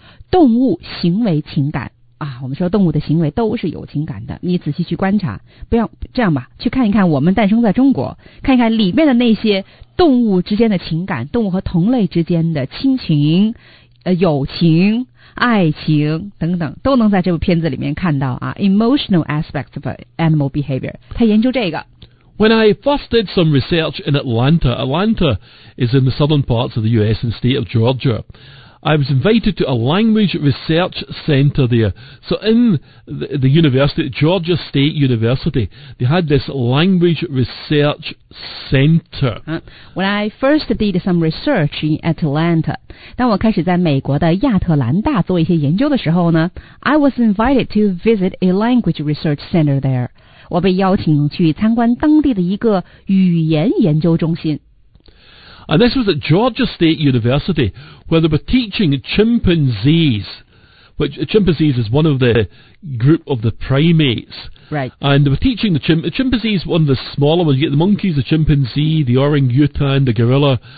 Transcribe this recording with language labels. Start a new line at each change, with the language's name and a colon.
Chinese: 动物行为情感啊，我们说动物的行为都是有情感的，你仔细去观察，不要这样吧，去看一看我们诞生在中国，看一看里面的那些动物之间的情感，动物和同类之间的亲情、友情、爱情等等，都能在这部片子里面看到啊。
English: Emotional aspects of animal behavior，
Chinese: 他研究这个。
English: When I first did some research in Atlanta is in the southern parts of the US and state of GeorgiaI was invited to a language research center there. So in the university, Georgia State University, they had this language research center. When I first did some research in Atlanta,
Chinese: 当我开始在美国的亚特兰大做一些研究的时候呢
English: I was invited to visit a language research center there.
Chinese: 我被邀请去参观当地的一个语言研究中心。
English: And this was at Georgia State University, where they were teaching chimpanzees, which chimpanzees is one of the group of the primates. Right. And they were teaching the chimpanzees, one of the smaller ones. You get the monkeys, the chimpanzee, the orangutan, the gorilla.